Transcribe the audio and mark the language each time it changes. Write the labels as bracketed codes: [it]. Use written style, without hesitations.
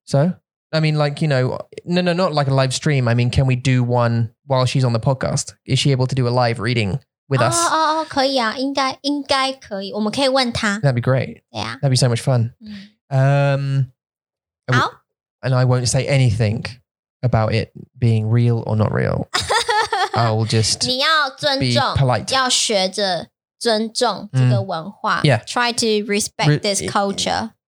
[en] So, I mean, like you know, no, not like a live stream. I mean, can we do one while she's on the podcast? Is she able to do a live reading? With us. [zh] Oh, 可以啊,应该可以,我们可以问他。 [en] That'd be great. Yeah. That'd be so much fun. And I won't say anything about it being real or not real. I will just [zh] 你要尊重, [en] be polite. [zh] 要学着尊重这个文化, [en] yeah. Try to respect this culture.